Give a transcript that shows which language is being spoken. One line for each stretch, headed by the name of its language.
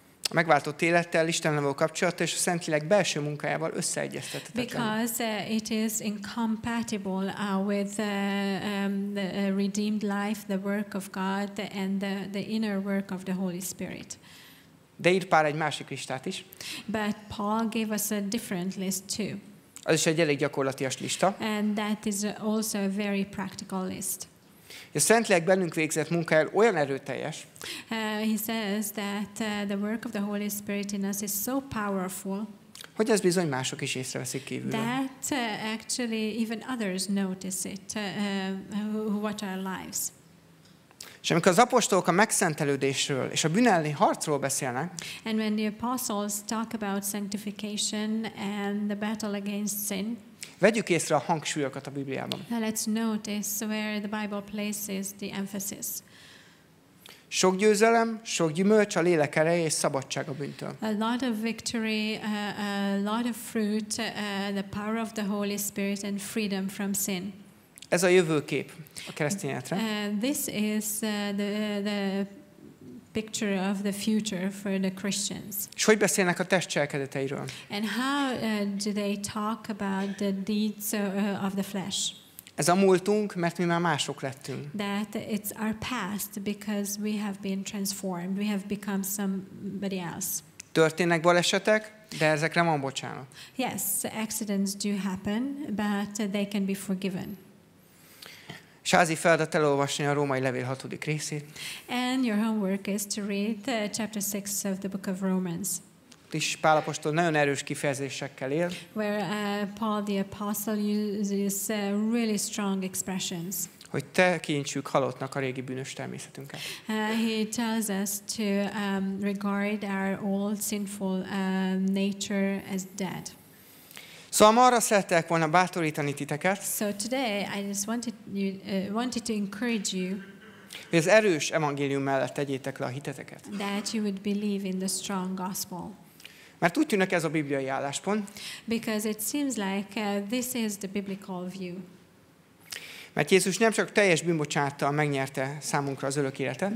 Hungarian: A megváltott élettel, Istennel való kapcsolattal és a Szentlélek belső munkájával összeegyeztetetlen.
English: Because it is incompatible with the redeemed life, the work of God and the inner work of the Holy Spirit.
Hungarian: De írt Pál egy másik listát is.
English: But Paul gave us a different list too.
Hungarian: Az is egy elég gyakorlatias lista.
English: And that is also a very practical list.
Hungarian: A Szentlélek bennünk végzett munkája olyan erőteljes.
English: He says that the work of the Holy Spirit in us is so powerful.
Hungarian: Hogy ez bizony mások is észreveszik kívülről.
English: That actually even others notice it who watch our lives.
Hungarian: És amikor az apostolok a megszentelődésről és a bűn elleni harcról beszélnek,
English: and when the apostles talk about sanctification and the battle against sin,
Hungarian: vegyük észre a hangsúlyokat a Bibliában.
English: Let's notice where the Bible places the emphasis.
Hungarian: Sok győzelem, sok gyümölcs, a lélek ereje és szabadság a bűntől.
English: A lot of victory, a lot of fruit, the power of the Holy Spirit and freedom from sin.
Hungarian: Ez a jövőkép a keresztény életre.
English: This is the picture of the future for the Christians.
Hungarian: És hogy beszélnek a test cselekedeteiről?
English: And how do they talk about the deeds of the flesh?
Hungarian: Ez a múltunk, mert mi már mások lettünk.
English: That it's our past because we have been transformed. We have become somebody else.
Hungarian: Történnek balesetek, de ezekre van bocsánat.
English: Yes, accidents do happen, but they can be forgiven.
Hungarian: Sázi feladat elolvasni a Római Levél 6. részét.
English: And your homework is to read chapter 6 of the book of Romans.
Hungarian: És Pál apostol nagyon erős kifejezésekkel él.
English: Where Paul the apostle uses really strong expressions.
Hungarian: Hogy tekintsük halottnak a régi bűnös természetünket.
English: He tells us to regard our old sinful nature as dead.
Hungarian: Szóval ma arra szerettek volna bátorítani titeket.
English: So today I just wanted to encourage you.
Hungarian: Hogy az erős evangélium mellett tegyétek le a hiteteket.
English: That you would believe in the strong gospel.
Hungarian: Mert úgy tűnik ez a bibliai álláspont.
English: Because it seems like this is the biblical view.
Hungarian: Mert Jézus nem csak teljes bűnbocsánattal megnyerte számunkra az örök életet.